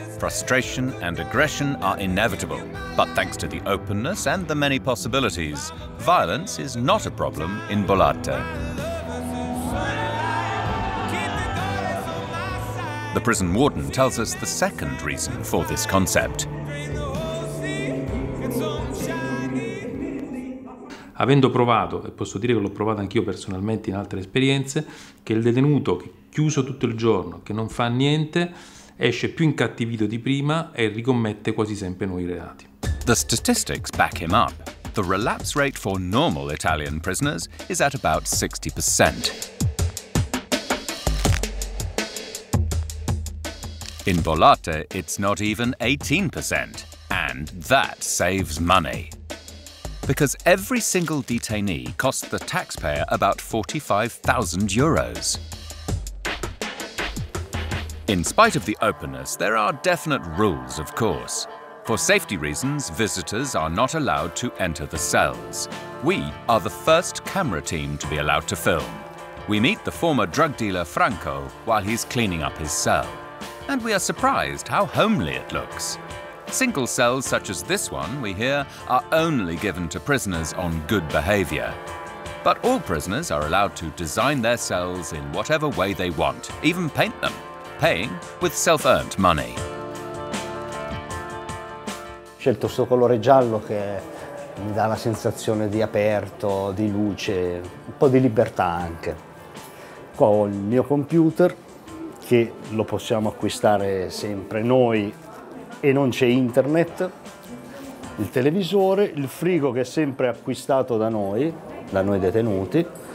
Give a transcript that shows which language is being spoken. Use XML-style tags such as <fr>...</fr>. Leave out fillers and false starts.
<en>Frustration and aggression are inevitable. But thanks to the openness and the many possibilities, violence is not a problem in Bollate. The prison warden tells us the second reason for this concept.</en> <it>Avendo provato, e posso dire che l'ho provato anch'io personalmente in altre esperienze, che il detenuto che chiuso tutto il giorno, che non fa niente, esce più incattivito di prima e ricommette quasi sempre nuovi reati.</it> <en>The statistics back him up. The relapse rate for normal Italian prisoners is at about 60%. In Bollate, it's not even 18%, and that saves money. Because every single detainee costs the taxpayer about 45,000 euros. In spite of the openness, there are definite rules, of course. For safety reasons, visitors are not allowed to enter the cells. We are the first camera team to be allowed to film. We meet the former drug dealer Franco while he's cleaning up his cell. And we are surprised how homely it looks. Single cells such as this one, we hear, are only given to prisoners on good behavior. But all prisoners are allowed to design their cells in whatever way they want, even paint them, paying with self-earned money.</en> <it>Scelto questo colore giallo che mi dà la sensazione di aperto, di luce, un po' di libertà anche. Qua ho il mio computer che lo possiamo acquistare sempre noi e non c'è internet, il televisore, il frigo che è sempre acquistato da noi detenuti.</it>